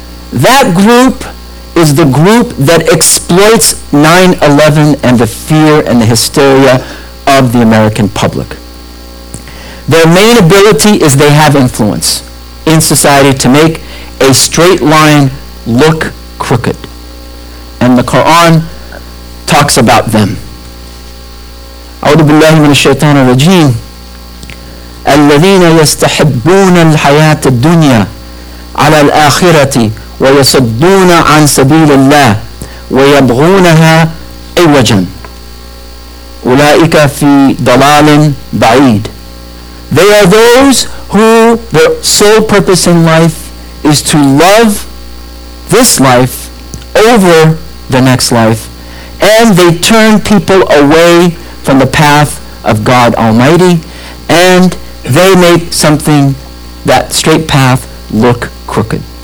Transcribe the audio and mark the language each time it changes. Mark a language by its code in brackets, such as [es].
[en] That group is the group that exploits 9/11 and the fear and the hysteria of the American public. Their main ability is they have influence in society to make a straight line look crooked. And the Quran talks about them. [ar] أعوذ بالله من الشيطان الرجيم الذين يستحبون الحياة الدنيا على الآخرة ويصدون عن سبيل الله ويبغونها عوجا أولئك في ضلال بعيد. [en] They are those who their sole purpose in life is to love this life over the next life, and they turn people away from the path of God Almighty, and they make something, that straight path, look crooked.